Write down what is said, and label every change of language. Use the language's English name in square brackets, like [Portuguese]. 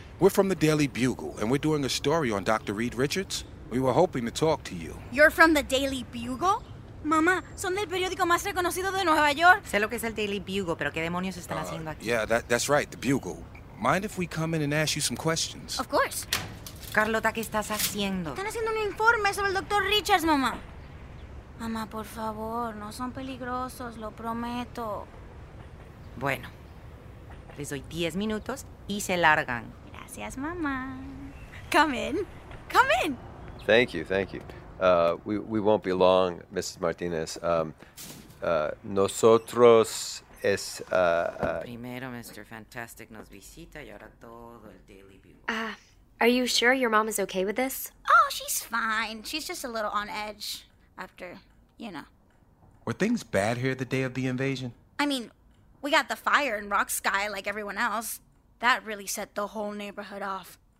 [English] We're from the Daily Bugle, and we're doing a story on Dr. Reed Richards. We were hoping to talk to you. You're from the Daily Bugle? [Spanish] Mama, son del periódico más reconocido de Nueva York. Sé lo que es el Daily Bugle, pero ¿qué demonios están haciendo aquí? [English] Yeah, that's right, the Bugle. Mind if we come in and ask you some questions? Of course. [Spanish] Carlota, ¿qué estás haciendo? Están haciendo un informe sobre el Dr. Richards, mamá. Mamá, por favor, no son peligrosos, lo prometo. Bueno, les doy 10 minutos y se largan. Gracias, mamá. [English] Come in. Come in. Thank you, thank you. We won't be long, Mrs. Martinez. [Spanish] Nosotros es... Primero, Mr. Fantastic nos visita y ahora todo el Daily Bugle. [English] Are you sure your mom is okay with this? Oh, she's fine. She's just a little on edge after, you know. Were things bad here the day of the invasion? I mean, we got the fire in Rock Sky like everyone else. That really set the whole neighborhood off.